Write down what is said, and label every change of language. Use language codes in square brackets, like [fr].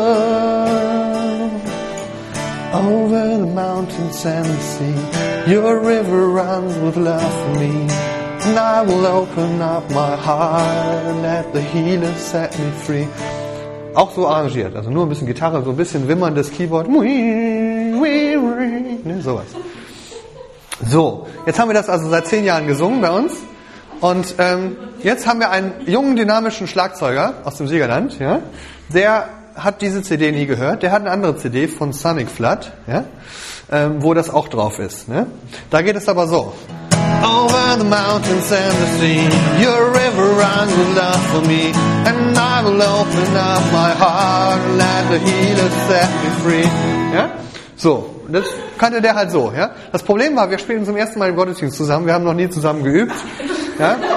[en] Over the mountains and the sea. Your river runs with love for me. And I will open up my heart and let the healer set me free. [de] Auch so arrangiert, also nur ein bisschen Gitarre, so ein bisschen wimmerndes Keyboard. Ne, sowas. So, jetzt haben wir das also seit 10 Jahren gesungen bei uns. Und jetzt haben wir einen jungen, dynamischen Schlagzeuger aus dem Siegerland. Ja? Der hat diese CD nie gehört. Der hat eine andere CD von Sonic Flood, ja? Wo das auch drauf ist. Ne? Da geht es aber so. [en] Over the mountains and the sea, your river runs with love for me, and I will open up my heart and let the healer set me free. [de] Ja? So, das kannte der halt so. Ja? Das Problem war, wir spielen zum ersten Mal im Gottesdienst zusammen, wir haben noch nie zusammen geübt. Ja?